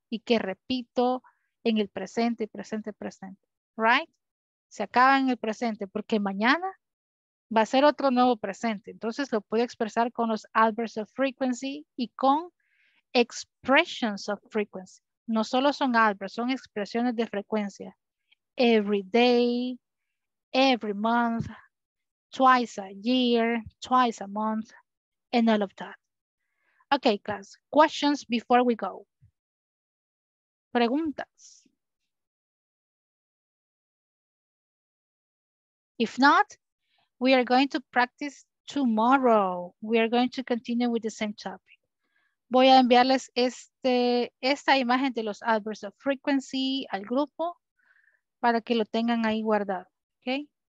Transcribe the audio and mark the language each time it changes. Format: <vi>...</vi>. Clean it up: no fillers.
<es>Y que repito en el presente, presente, presente, ¿right? Se acaba en el presente, porque mañana va a ser otro nuevo presente. Entonces lo puedo expresar con los</es> <en>adverbs of frequency</en> <es>y con</es> <en>expressions of frequency.</en> <es>No solo son adverbs, son expresiones de frecuencia.</es> <en>Every day, every month, twice a year, twice a month, and all of that. Okay, class. Questions before we go. Preguntas. If not, we are going to practice tomorrow. We are going to continue with the same topic.</en> <es>Voy a enviarles esta imagen de los</es> <en>adverbs of frequency</en> <es>al grupo para que lo tengan ahí guardado, okay?</es>